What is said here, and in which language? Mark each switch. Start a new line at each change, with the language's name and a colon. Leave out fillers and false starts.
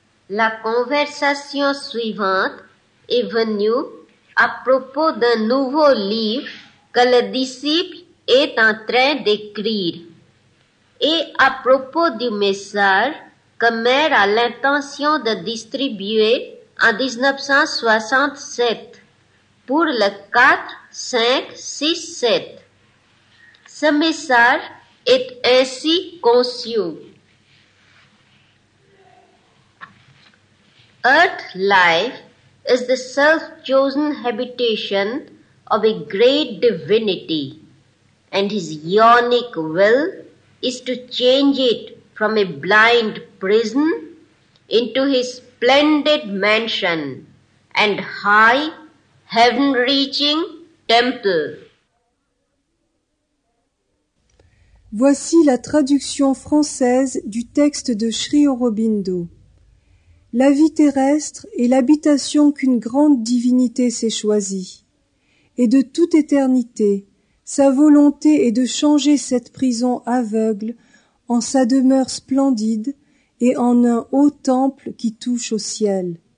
French: La conversation suivante est venue à propos d'un nouveau livre que le disciple est en train d'écrire et à propos du message que Mère a l'intention de distribuer en 1967 pour le 4, 5, 6, 7. Ce message est ainsi conçu.
English: Earth life is the self-chosen habitation of a great divinity, and his yonic will is to change it from a blind prison into his splendid mansion and high, heaven-reaching temple.
French: Voici la traduction française du texte de Sri Aurobindo. La vie terrestre est l'habitation qu'une grande divinité s'est choisie. Et de toute éternité, sa volonté est de changer cette prison aveugle en sa demeure splendide et en un haut temple qui touche au ciel.